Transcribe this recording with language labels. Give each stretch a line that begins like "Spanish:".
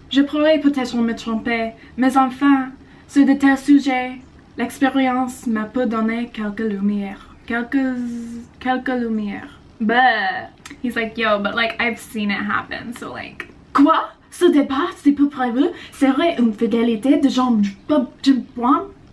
French: Je pourrais peut-être me tromper, mais enfin, sur de tel sujet, l'expérience m'a peut donner quelques lumières. Quelques lumières. Bleh.
English: He's like, yo, but like, I've seen it happen, so like.
French: Quoi? Ce départ, si peu prévu, serait une fidélité de Jean-Juan?